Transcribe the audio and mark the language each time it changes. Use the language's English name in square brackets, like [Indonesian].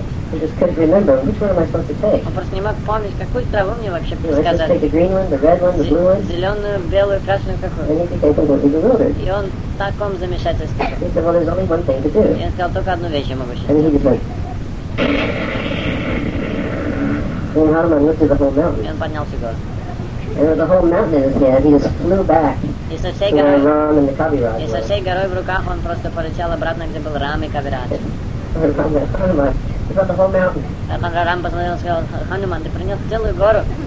[English] He just couldn't remember which one am I supposed to take. [Russian] Он просто не мог помнить, какую траву мне вообще сказали. [English] Let's just take the green one, the red one, the blue one. [Russian] Зеленую, белую, красную, какую. [English] And he became completely bewildered. [Russian] И он в таком замешательстве. [English] He said, well, there's only one thing to do. [Russian] И он сказал, только одну вещь я могу сейчас. [English] And he just like. And Hanuman lifted the whole mountain. [Russian] И он поднялся в гору. [English] And with the whole mountain in his head, he just flew back to where Ram and the Kaviraj were. [Russian] И со всей горой в руках он просто полетел обратно, где был Рам и Кавираж. [English] Hanuman. [Russian] А Ханрарам посмотрел и сказал, Хануман, ты принес целую гору.